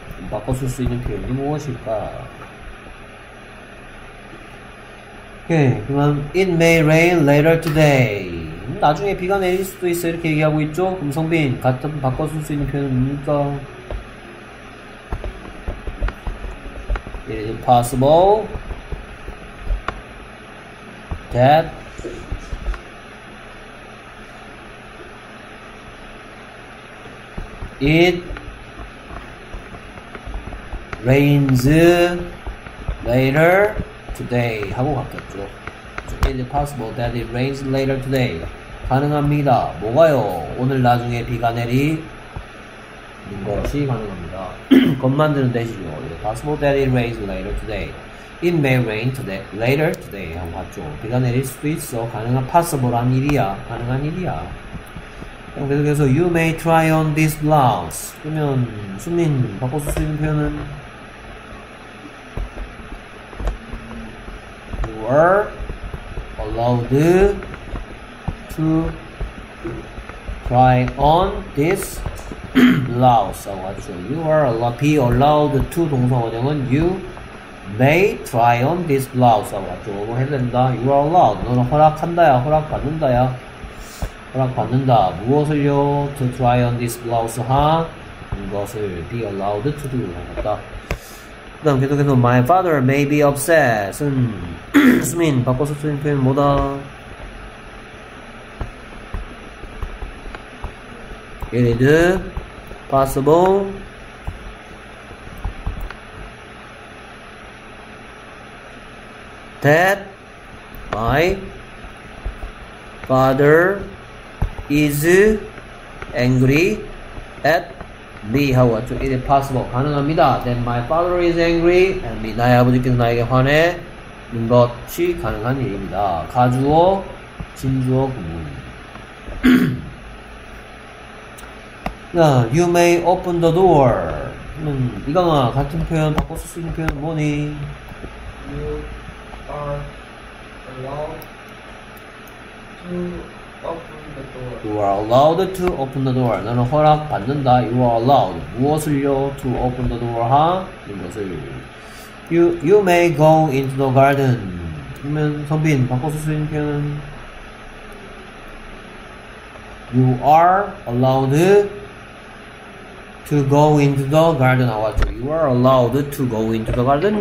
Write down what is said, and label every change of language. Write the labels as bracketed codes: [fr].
[ko] 바꿔 쓸 수 있는 표현이 무엇일까? [en] 오케이. [ko] 그럼 [en] it may rain later today. [ko] 나중에 비가 내릴 수도 있어 이렇게 얘기하고 있죠. 그럼 성빈 같은 바꿔 쓸 수 있는 표현은 뭡니까? [en] It is possible that it rains later today [ko] 하고 갔겠죠. [en] So, is it possible that it rains later today? [ko] 가능합니다. 뭐가요? 오늘 나중에 비가 내리는 것이 가능합니다. 겉만 드는 대시죠. [en] Is it possible that it rains later today? It may rain today, later today [ko] 하고 갔죠. 비가 내릴 수도 있어. 가능한 possible한 일이야. 가능한 일이야. 그럼 계속해서 [en] you may try on this blouse. [ko] 그러면 수민 바꿔 쓸 수 있는 표현은? [en] Are allowed to try on this blouse. [ko] 맞죠? [en] You are allowed, be allowed to 동사원형은 you may try on this blouse. [ko] 맞죠? 뭐 해야 된다. [en] You are allowed. [ko] 너는 허락한다야. 허락받는다야. 허락받는다. 무엇을요? [en] To try on this blouse, 하? Huh? 이것을 be allowed to do. 맞다. [ko] 그 다음 계속해서 [en] my father may be upset. [ko] 수민 바꿔서 쓰는 표현 뭐다? [en] It is possible that my father is angry at me. How much? It is possible. [ko] 가능합니다. [en] That my father is angry at me. [ko] 나의 아버지께서 나에게 화내 는 것이 가능한 일입니다. 가주어, 진주어, 구문. [en] You may open the door. [ko] 이강아, 같은 표현, 바꿔서 쓰는 표현 뭐니? [en] You are allowed to open the door. You are allowed to open the door. [ko] 나는 허락 받는다. [en] You are allowed. [ko] 무엇을요? [en] To open the door, 하? Huh? 이것을. You may go into the garden. [ko] 그러면, 성빈, 바꿔서 쓰는 표현. [en] You are allowed to go into the garden. [ko] 아, 맞죠? [en] You are allowed to go into the garden.